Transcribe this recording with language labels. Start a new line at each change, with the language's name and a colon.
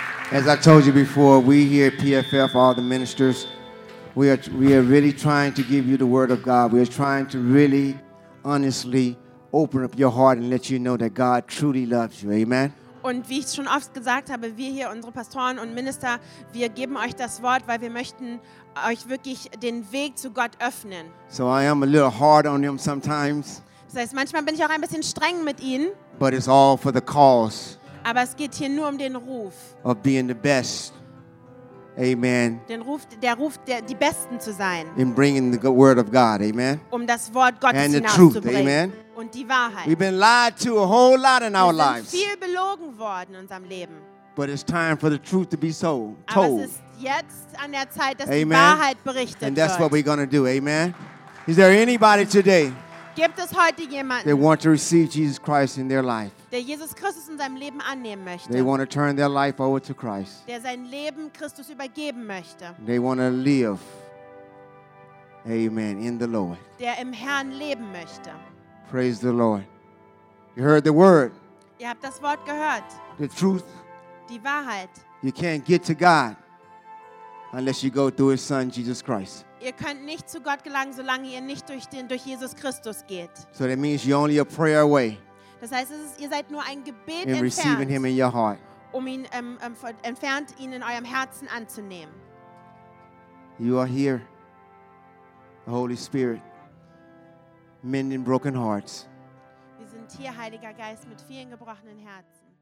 English: As I told you before, we here at PFF, all the ministers, we are really trying to give you the word of God. We are trying to really, honestly open up your heart and let you know that God truly loves you. Amen.
German: Und wie ich schon oft gesagt habe, wir hier, unsere Pastoren und Minister, wir geben euch das Wort, weil wir möchten euch wirklich den Weg zu Gott öffnen.
English: So I am a little hard on them sometimes.
German: Das heißt, manchmal bin ich auch ein bisschen streng mit ihnen.
English: But it's all for the cause.
German: Aber es geht hier nur um den Ruf.
English: Of being the best Amen.
German: Den Ruf, der Ruf, der, die Besten zu sein.
English: In bringing the word of God, amen.
German: Um das Wort Gottes
English: and
German: hinauszubringen. Amen. Und die Wahrheit.
English: We've been lied to a whole lot in our lives.
German: Wir sind viel belogen worden in unserem Leben.
English: But it's time for the truth to be told.
German: Aber es ist jetzt an der Zeit, dass amen. Die Wahrheit berichtet wird.
English: And that's
German: wird.
English: What we're going to do, amen. Is there anybody today?
German: Gibt es heute jemanden?
English: They want to receive Jesus Christ in their life.
German: Der Jesus Christus in seinem Leben annehmen möchte.
English: They want to turn their life over to Christ.
German: Der sein Leben Christus übergeben möchte.
English: They want to live, amen, in the Lord.
German: Der im Herrn leben möchte.
English: Praise the Lord. You heard the word.
German: Ihr habt das Wort gehört.
English: The truth.
German: Die Wahrheit.
English: You can't get to God unless you go through His Son, Jesus Christ.
German: Ihr könnt nicht zu Gott gelangen, solange ihr nicht durch den durch Jesus Christus geht.
English: So that means you're only a prayer away.
German: Das heißt, es ist, ihr seid nur ein Gebet
English: in
German: entfernt,
English: him in your heart.
German: Um ihn entfernt, ihn in eurem Herzen anzunehmen.
English: You are here, the Holy Spirit, mending broken hearts.
German: Wir sind hier, Heiliger Geist, mit vielen gebrochenen Herzen.